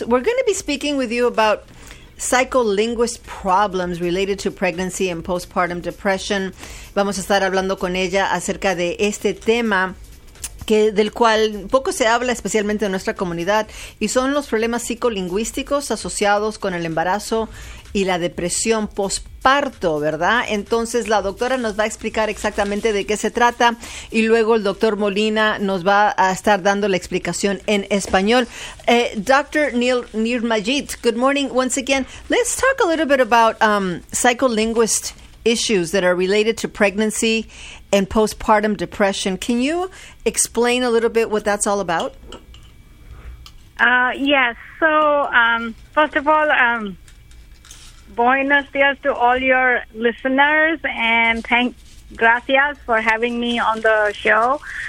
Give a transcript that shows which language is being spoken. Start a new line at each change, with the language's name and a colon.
English: We're going to be speaking with you about psycholinguist problems related to pregnancy and postpartum depression.
Spanish: Vamos a estar hablando con ella acerca de este tema, del cual poco se habla, especialmente en nuestra comunidad, y son los problemas psicolingüísticos asociados con el embarazo y la depresión postparto, ¿verdad? Entonces, la doctora nos va a explicar exactamente de qué se trata, y luego el doctor Molina nos va a estar dando la explicación en español.
English: Dr. Nirmayit, good morning once again. Let's talk a little bit about psycholinguist issues that are related to pregnancy and postpartum depression. Can you explain a little bit what that's all about? Yes. So, first of all,
Spanish: buenos dias
English: to all your listeners, and gracias for having me on the show.